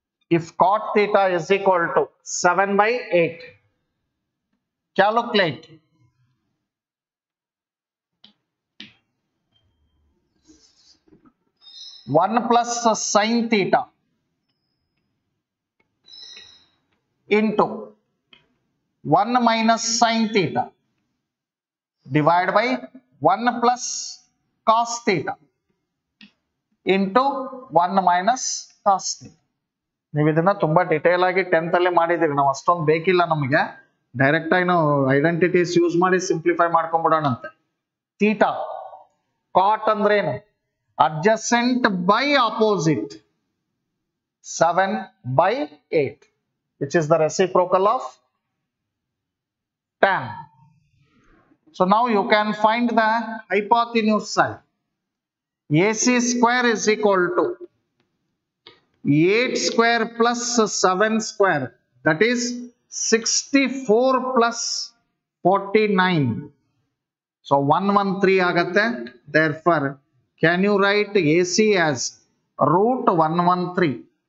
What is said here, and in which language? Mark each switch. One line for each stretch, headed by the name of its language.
English: if cot theta is equal to 7 by 8, calculate one plus sin theta into 1 minus sin theta divided by 1 plus cos theta into 1 minus cos theta.
Kannada: ನೀವು ಇದನ್ನ ತುಂಬಾ detail ಆಗಿ tenth ಅಲ್ಲೇ ಮಾಡಿದ್ದೀವಿ ನಾವು, ಅಷ್ಟೊಂದು ಬೇಕಿಲ್ಲ ನಮಗೆ. ಡೈರೆಕ್ಟ್ ಆಗಿ ನಾವು ಐಡೆಂಟಿಟೀಸ್ ಯೂಸ್ ಮಾಡಿ ಸಿಂಪ್ಲಿಫೈ ಮಾಡ್ಕೊಂಬಿಡೋಣಂತೆ. ಥೀಟಾ ಕಾಟ್ ಅಂದ್ರೆ ಏನು? Adjacent by opposite, 7 by 8,
English: Which is the reciprocal of tan. So now you can find the hypotenuse side. AC square is equal to 8 square plus 7 square, that is 64 plus 49. So 113 agate. Therefore, can you write AC as root 113?